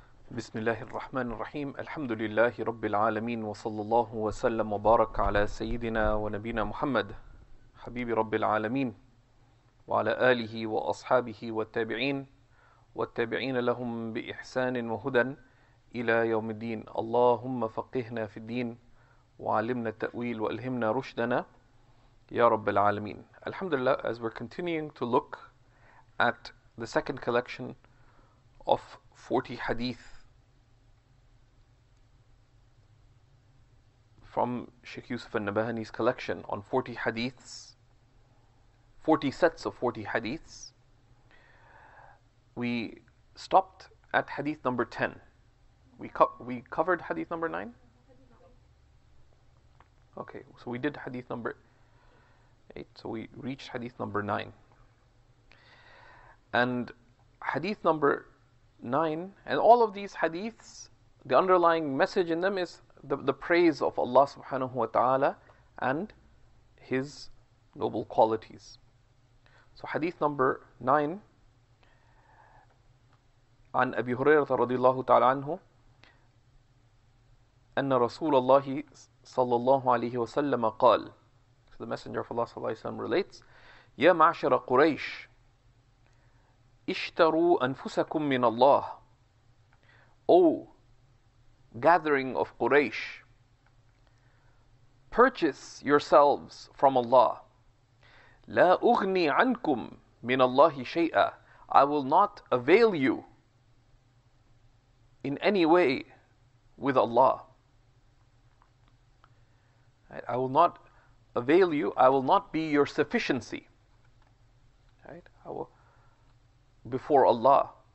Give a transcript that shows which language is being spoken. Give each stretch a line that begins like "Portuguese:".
Arabic: بسم الله الرحمن الرحيم الحمد لله رب العالمين وصلى الله وسلم وبارك على سيدنا ونبينا محمد حبيب رب العالمين وعلى آله وأصحابه والتابعين والتابعين لهم بإحسان وهدى إلى يوم الدين اللهم فقهنا في الدين وعلمنا التأويل وألهمنا رشدنا يا رب العالمين الحمد لله.
English: As we're continuing to look at the second collection of 40 hadith from Sheikh Yusuf al-Nabahani's collection on 40 hadiths, 40 sets of 40 hadiths, we stopped at hadith number 10. We covered hadith number 9? Okay, so we did hadith number 8, so we reached hadith number 9. And hadith number 9, and all of these hadiths, the underlying message in them is the praise of Allah subhanahu wa ta'ala and His noble qualities. So hadith number 9,
Arabic: عن أبي هريرة رضي الله تعالى عنه أن رسول الله صلى الله عليه وسلم قال.
English: So the Messenger of Allah
Arabic: صلى الله عليه وسلم
English: relates,
Arabic: يا معشر قريش اشتروا أنفسكم من الله.
English: Gathering of Quraysh, purchase yourselves from Allah.
Arabic: لا أغني عنكم من الله شيئا.
English: I will not avail you in any way with Allah. I will not avail you. I will not be your sufficiency. Right? I will, before Allah.